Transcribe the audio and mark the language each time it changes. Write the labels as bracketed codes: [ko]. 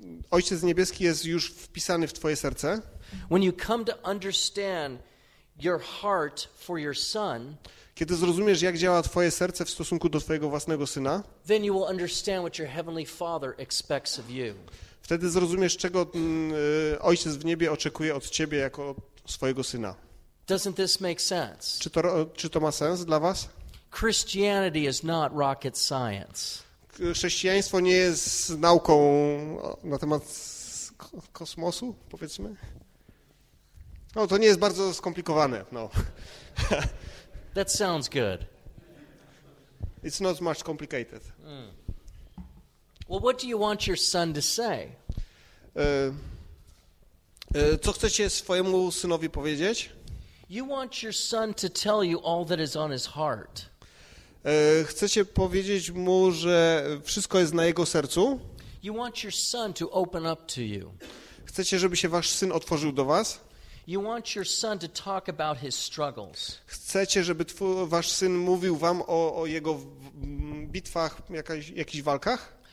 [pl] Ojciec niebieski jest już wpisany w twoje serce. [en] When you come to understand your heart for your son, [pl] kiedy zrozumiesz, jak działa twoje serce w stosunku do twojego własnego syna, [en] then you will understand what your heavenly father expects of you. [pl] Wtedy zrozumiesz, czego Ojciec w niebie oczekuje od ciebie jako od swojego syna. [en] Doesn't this make sense? [pl] Czy to ma sens dla was? [en] Christianity is not rocket science. [pl] Chrześcijaństwo nie jest nauką na temat kosmosu, powiedzmy. No, to nie jest bardzo skomplikowane, no. [en] That sounds good. It's not much complicated. Mm. Well, what do you want your son to say? [pl] Co chcecie swojemu synowi powiedzieć? [en] You want your son to tell you all that is on his heart. [pl] Chcecie powiedzieć mu, że wszystko jest na jego sercu? [en] You want your son to open up to you. [pl] Chcecie, żeby się wasz syn otworzył do was? [en] You want your son to talk about his struggles. [pl] Chcecie, żeby wasz syn mówił wam o jego bitwach, jakichś walkach?